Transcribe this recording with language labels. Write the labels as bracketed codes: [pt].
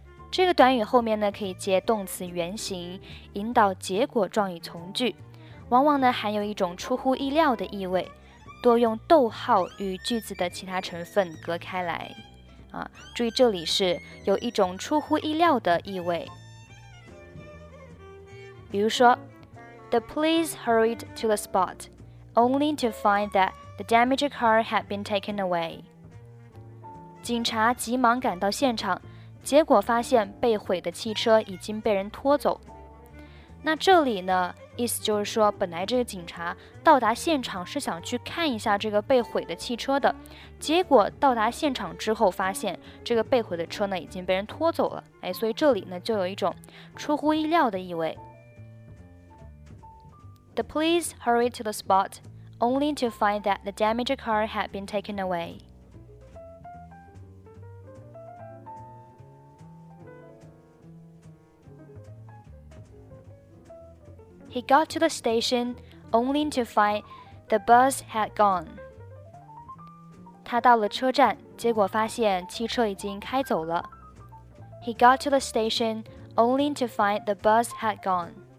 [zh] 这个短语后面呢可以接动词原形，引导结果状语从句，往往呢含有一种出乎意料的意味，多用逗号与句子的其他成分隔开来。注意这里是有一种出乎意料的意味。比如说 [en] The police hurried to the spot,only to find that the damaged car had been taken away. [zh] 警察急忙赶到现场，结果发现被毁的汽车已经被人拖走。那这里呢，意思就是说，本来这个警察到达现场是想去看一下这个被毁的汽车的，结果到达现场之后发现这个被毁的车呢已经被人拖走了。所以这里呢就有一种出乎意料的意味。 [en] The police hurried to the spot, only to find that the damaged car had been taken away. He got to the station, only to find the bus had gone. [zh] 他到了车站，结果发现汽车已经开走了。 [en] He got to the station, only to find the bus had gone.